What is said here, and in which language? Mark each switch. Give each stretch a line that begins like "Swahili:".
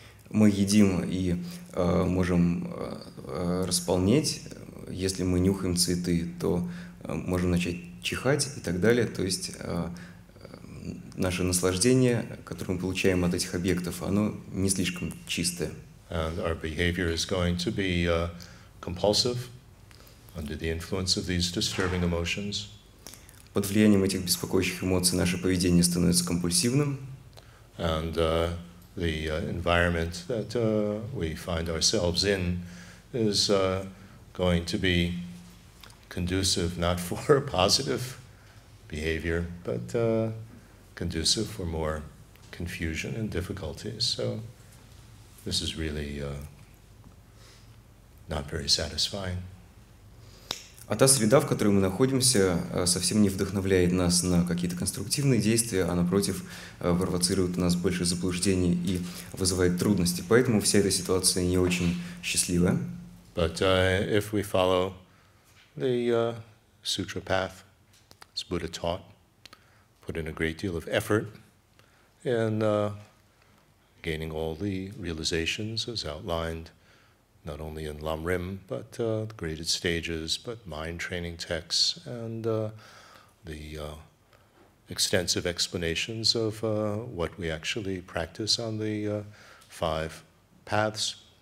Russian: Мы едим и можем располнеть. Если мы нюхаем цветы, то можем начать чихать и так далее. То есть наше наслаждение, которое мы получаем от этих объектов, оно не слишком чистое.
English: And our behavior is going to be compulsive. Under the influence of these disturbing emotions.
Russian: Под влиянием этих беспокоящих эмоций наше поведение становится компульсивным.
English: And the environment that we find ourselves in is going to be conducive not for positive behavior, but conducive for more confusion and difficulties. So this is really not very satisfying.
Russian: А та среда, в которой мы находимся, совсем не вдохновляет нас на какие-то конструктивные действия, а напротив, провоцирует у нас больше заблуждений и вызывает трудности. Поэтому вся эта ситуация не очень счастливая.
English: But if we follow the sutra path, as Buddha taught, put in a great deal of effort in gaining all the realizations as outlined, not only in Lam Rim, but the graded stages, but mind training texts, and the extensive explanations of what we actually practice on the five paths.